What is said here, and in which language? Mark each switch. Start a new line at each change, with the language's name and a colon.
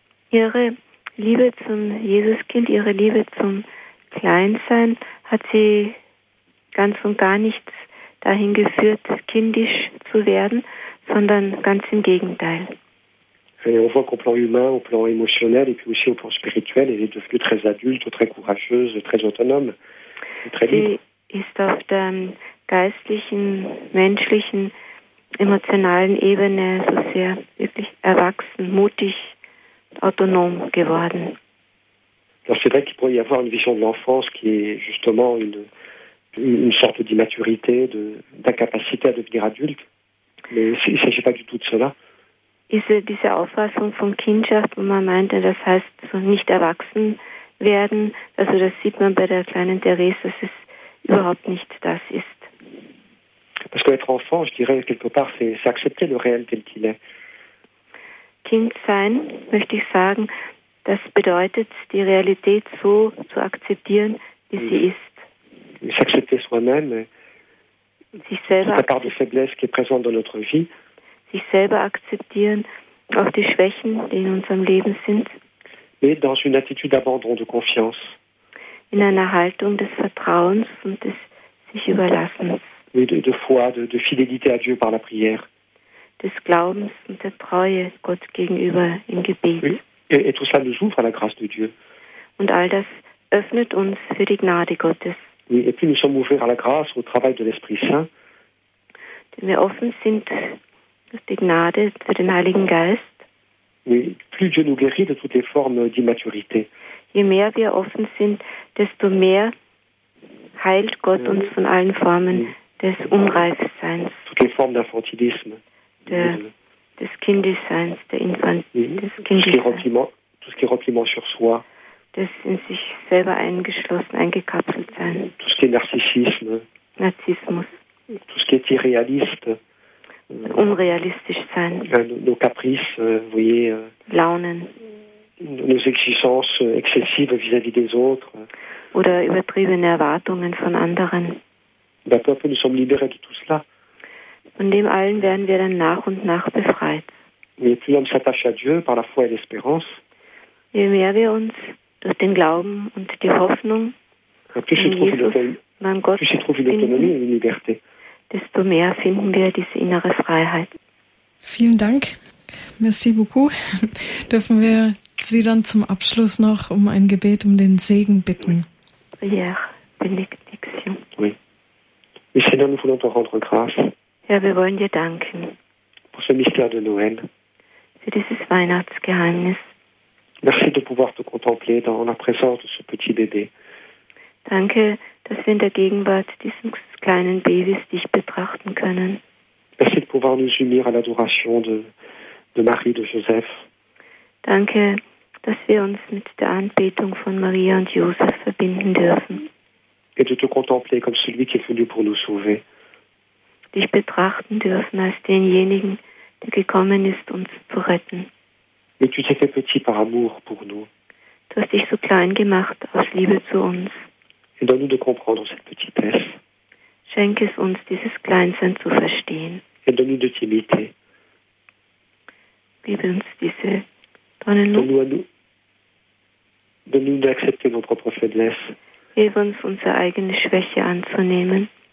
German: Ihre Liebe zum Jesuskind, ihre Liebe zum Kleinsein hat sie ganz und gar nichts dahin geführt, kindisch zu werden, sondern ganz im Gegenteil.
French: Et on voit qu'au plan humain, au plan émotionnel et puis aussi au plan spirituel, elle est devenue très adulte, très courageuse, très autonome, très libre.
German: Sie ist auf der geistlichen, menschlichen, emotionalen Ebene so sehr wirklich erwachsen, mutig, autonom geworden.
French: Alors c'est vrai qu'il pourrait y avoir une vision de l'enfance qui est justement une une sorte d'immaturité, d'incapacité à devenir adulte. Mais il ne s'agit pas du tout de cela.
German: Diese Auffassung von Kindschaft, wo man meinte, das heißt so nicht erwachsen werden, also das sieht man bei der kleinen Therese, dass es überhaupt nicht das ist.
French: Parce qu'être enfant, je dirais, quelque part, c'est accepter le réel tel qu'il est.
German: Kind sein, möchte ich sagen, das bedeutet, die Realität so zu akzeptieren, wie sie ist.
French: S'accepter soi-même,
German: sich selber
French: toute la part de faiblesse qui est présente dans notre vie.
German: Sich selber akzeptieren, auch die Schwächen, die in unserem Leben sind.
French: Et dans une attitude d'abandon, de confiance.
German: In einer Haltung des Vertrauens und des sich Überlassens.
French: Oui, de foi, de fidélité à Dieu par la prière.
German: Des Glaubens und der Treue Gott gegenüber im Gebet.
French: Oui. Et tout ça nous ouvre à la grâce de Dieu.
German: Und all das öffnet uns für die Gnade Gottes.
French: Oui, et puis nous sommes ouverts à la grâce, au travail de l'Esprit Saint.
German: Denn wir offen sind für die Gnade, für den Heiligen Geist.
French: Oui, plus Dieu nous guérit de toutes les formes d'immaturité.
German: Je mehr wir offen sind, desto mehr heilt Gott uns von allen Formen des Unreifseins.
French: Toutes les formes d'infantilisme.
German: Des Kindesseins, der
French: Infantilisme. Tout ce qui est repliement sur soi.
German: Des in sich selber eingeschlossen, eingekapselt sein.
French: Tout ce qui est narcissisme.
German: Narzissmus.
French: Tout ce qui est irréaliste.
German: Unrealistisch sein.
French: Nos caprices, vous voyez.
German: Launen.
French: Nos exigences excessives vis-à-vis des autres.
German: Oder übertriebene Erwartungen von anderen.
French: Ben, peu à peu, nous sommes libérés de tout cela.
German: Von dem allen werden wir dann nach und nach befreit.
French: Mais plus l'homme s'attache à Dieu par la foi et l'espérance.
German: Je mehr wir uns durch den Glauben und die Hoffnung an Gott finden, desto mehr finden wir diese innere Freiheit. Vielen Dank.
French: Merci beaucoup.
German: Dürfen wir Sie dann zum Abschluss noch um ein Gebet um den Segen bitten? Ja, Benediktion.
French: Oui. Mais Seigneur, nous voulons te rendre grâce.
German: Ja, wir wollen dir danken.
French: Pour ce mystère de Noël.
German: Für dieses Weihnachtsgeheimnis.
French: Merci de pouvoir te contempler dans la présence de ce petit bébé.
German: Danke, dass wir in der Gegenwart dieses kleinen Babys dich betrachten können.
French: Merci de pouvoir nous unir à l'adoration de Marie, de Joseph.
German: Danke, dass wir uns mit der Anbetung von Maria und Josef verbinden dürfen.
French: Et de te contempler comme celui qui est venu pour nous sauver.
German: Dich betrachten dürfen als denjenigen, der gekommen ist, uns zu retten.
French: Mais tu t'es fait petit par amour pour nous.
German: Du hast dich so klein gemacht aus Liebe zu uns.
French: Et donne-nous de comprendre cette petitesse.
German: Schenk es uns, dieses Kleinsein zu verstehen.
French: Et donne-nous de timidité.
German: Gib uns diese
French: Donne-nous à nous. Donne-nous d'accepter nos propres faiblesses.
German: Gib uns unsere eigene Schwäche anzunehmen.